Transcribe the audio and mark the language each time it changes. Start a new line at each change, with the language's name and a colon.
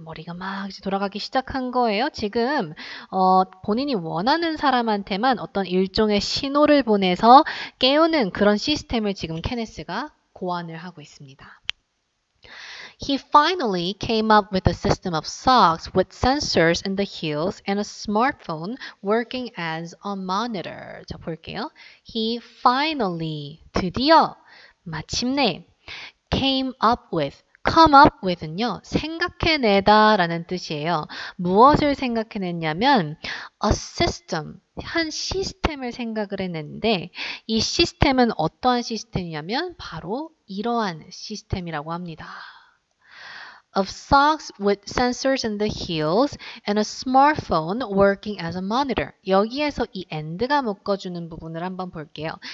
Korean: 머리가 막 이제 돌아가기 시작한 거예요. 지금 본인이 원하는 사람한테만 어떤 일종의 신호를 보내서 깨우는 그런 시스템을 지금 케네스가 고안을 하고 있습니다.
English: He finally came up with a system of socks with sensors in the heels and a smartphone working as a monitor.
Korean: 자, 볼게요.
English: He finally,
Korean: 드디어, 마침내,
English: came up with come up with
Korean: 은요, 생각해내다 라는 뜻이에요. 무엇을 생각해냈냐면, a system, 한 시스템을 생각을 했는데, 이 시스템은 어떠한 시스템이냐면, 바로 이러한 시스템이라고 합니다.
English: of socks with sensors in the heels and a smartphone working as a monitor.
Korean: 여기에서 이 and가 묶어주는 부분을 한번 볼게요.